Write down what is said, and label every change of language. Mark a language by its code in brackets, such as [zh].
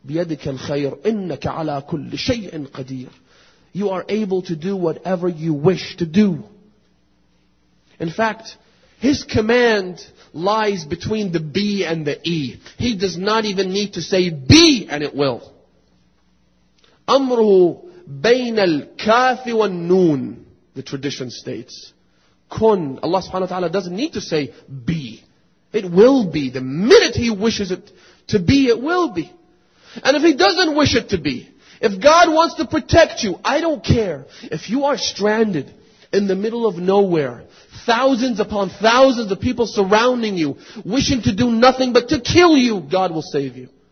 [ar] بِيَدِكَ الْخَيْرِ. إِنَّكَ عَلَى كُلِّ شَيْءٍ قَدِيرٍ. [en] You are able to do whatever you wish to do. In fact, his command lies between the B and the E. He does not even need to say B and it will. [ar] أَمْرُهُ بَيْنَ الْكَافِ وَالنُّونَ, [en] the tradition states. [ar] كُن, [en] Allah subhanahu wa ta'ala doesn't need to say B. It will be. The minute he wishes it to be, it will be. And if he doesn't wish it to be, if God wants to protect you, I don't care. If you are stranded in the middle of nowhere, thousands upon thousands of people surrounding you, wishing to do nothing but to kill you, God will save you.